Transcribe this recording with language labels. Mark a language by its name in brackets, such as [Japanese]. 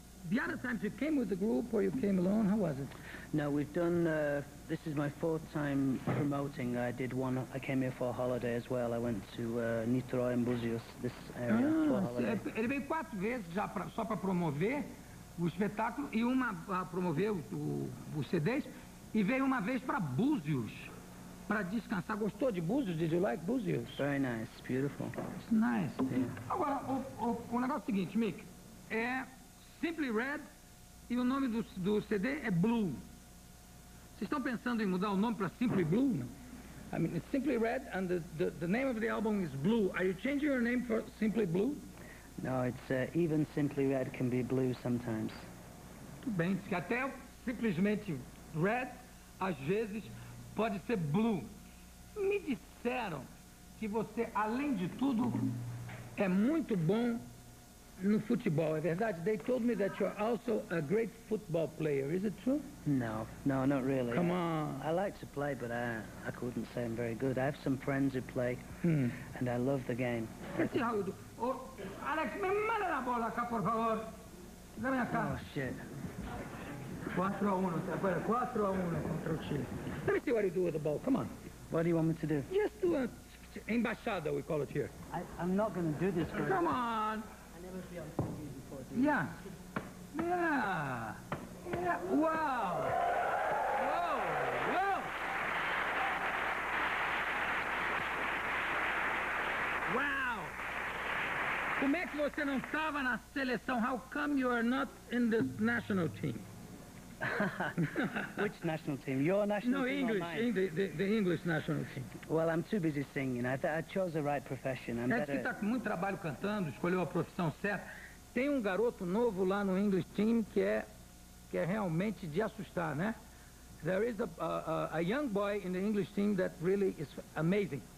[English] The other times you came with the group or you came alone, how was it? No, we've done, this is my fourth time promoting. I came here for a holiday as well. I went to Niterói and Búzios, this area, for a holiday. [Portuguese] Ele veio quatro vezes já só para promover o espetáculo e uma para promover os CDs e veio uma vez para Búzios, para descansar. Gostou de Búzios? [English] Did you like Búzios? Very nice, beautiful. It's nice. Yeah. [Portuguese] Agora, o negócio é o seguinte, Mick, Simply Red, e o nome do CD é Blue. Vocês estão pensando em mudar o nome para Simply Blue? [English] I mean, it's Simply Red, and the name of the album is Blue. Are you changing your name for Simply Blue? No, it's even Simply Red can be blue sometimes. [Portuguese] Tudo bem, até simplesmente Red, às vezes, pode ser Blue. Me disseram que você, além de tudo, é muito bom no futebol, é verdade? [English] They told me that you're also a great football player. Is it true? No, not really. Come on. I like to play, but I couldn't say I'm very good. I have some friends who play, and I love the game. Let's see how you do. Oh, Alex, [Portuguese] me manda a bola cá, por favor. Da minha cara. [English] Oh, shit. [Portuguese] 4-1, agora 4-1 contra o Chile. [English] Let me see what you do with the ball. Come on. What do you want me to do? Just do a [Portuguese] embaixada, [English] we call it here. I'm not going to do this, girl. Come on. Yeah. Yeah. Yeah. Wow. Wow. Wow. Wow. [Portuguese] Como é que você não estava na seleção? [English] How come you are not in this national team? Which national team? Your national team? No, English. Or mine? The English national team. Well, I'm too busy singing. I chose the right profession. I'm better. [Portuguese] Está com muito trabalho cantando, escolheu a profissão certa. Tem garoto novo lá no [English] English team [Portuguese] que é realmente de assustar, né? [English] There is a young boy in the English team that really is amazing.